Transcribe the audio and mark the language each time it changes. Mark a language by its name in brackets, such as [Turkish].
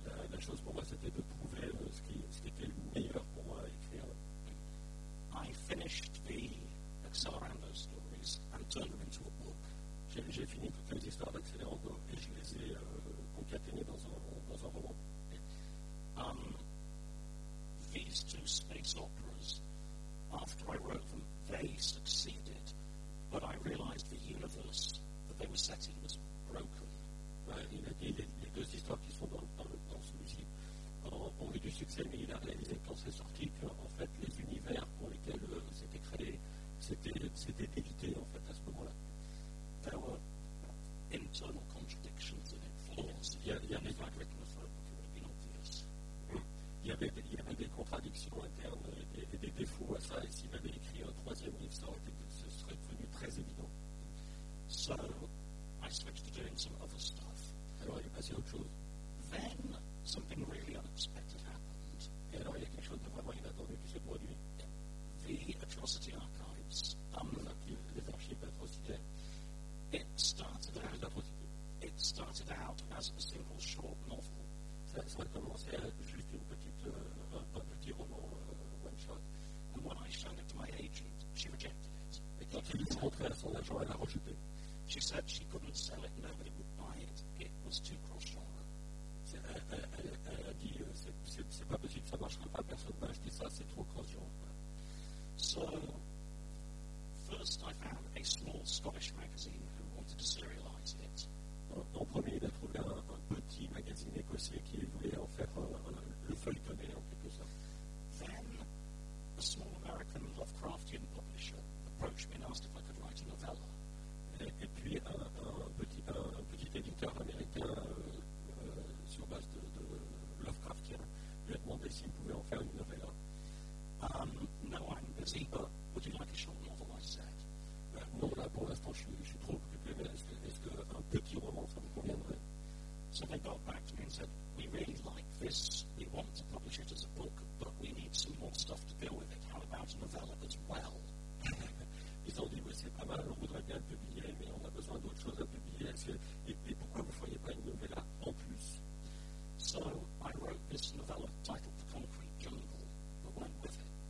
[French] La chose pour moi, c'était de trouver ce qui était le meilleur pour moi à écrire. [English] I finished the Accelerando stories and turned them into a book. [French] J'ai fini toutes les histoires d'Accelerando et je les ai concaténées dans un roman. [English] These two space operas, after I wrote them, they succeeded, but I realized the universe that they were set in was broken. [French] Les deux histoires qui sont dans celui-ci ont eu du succès, mais il a réalisé quand c'est sorti qu'en fait les univers pour lesquels c'était créé c'était évité en fait à ce moment-là. [English] There were internal contradictions in it. [French] Il y avait des contradictions internes et des défauts à ça, et s'il avait écrit un troisième livre, ce serait devenu très évident. [English] So, I switched to doing some other stuff. [French] Alors, il est passé à autre chose. [English] Then, something really unexpected happened. [French] Et alors, il y a quelque chose de vraiment inattendu qui s'est produit. [English] The Atrocity Archives. [French] Les archives atrocitaires. [English] It started out as a single short novel. [French] Ça a commencé à juste un petit roman one shot. [English] And when I showed it to my agent, she rejected it. [French] Et quand il est rentré à son agent, elle a rejeté. [English] She said she couldn't sell it, nobody would buy it. It was too cross-genre. [French] Elle a dit c'est pas possible, ça marchera pas, personne va acheter ça, c'est trop cross-genre. [English] So first I found a small Scottish magazine who wanted to serialize it. [French] En premier, il a trouvé un petit magazine écossais qui voulait en faire le feuilletonner en quelque sorte. [English] Then, a small American Lovecraftian publisher approached me and asked if I could write a novella. [French] Et puis, un petit éditeur américain sur base de Lovecraftien lui a demandé s'il pouvait en faire une novella. [English] No, I'm busy, but would you like a short novel, I said. [French] Non, là, pour l'instant, je suis trop occupé, mais est-ce que un petit roman, ça vous conviendrait? [English] So they got back to me and said, we really like this, we want to publish it as a book, but we need some more stuff to deal with it. How about a novella as well? [French] Ils ont dit, oui, c'est pas mal, on voudrait bien le publier, mais on a besoin d'autres choses à publier. Et pourquoi vous ne feriez pas une novella en plus? [English] So I wrote this novella titled The Concrete Jungle, but went with it.